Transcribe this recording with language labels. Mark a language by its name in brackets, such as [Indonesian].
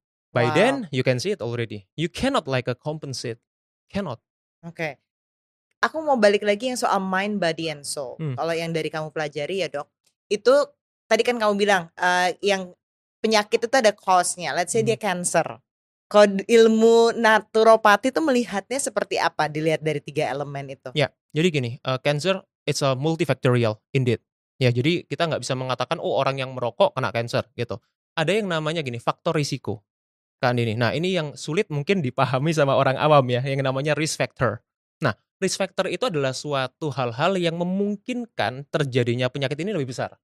[English] By then, you can see it already. You cannot like a compensate. Cannot. [Indonesian] Okay. Aku mau balik lagi yang soal [English] mind, body, and soul. [Indonesian] Kalau yang dari kamu pelajari ya dok, itu tadi kan kamu bilang yang penyakit itu ada cause-nya. [English] Let's say [Indonesian] dia cancer. kode ilmu naturopati itu melihatnya seperti apa, dilihat dari tiga elemen itu? Ya, jadi gini, [English] cancer it's a multifactorial indeed. [Indonesian] Ya, jadi kita nggak bisa mengatakan oh orang yang merokok kena cancer gitu. Ada yang namanya gini, faktor risiko. Kan ini. Nah, ini yang sulit mungkin dipahami sama orang awam ya, yang namanya risk factor. Nah, risk factor itu adalah suatu hal-hal yang memungkinkan terjadinya penyakit ini lebih besar.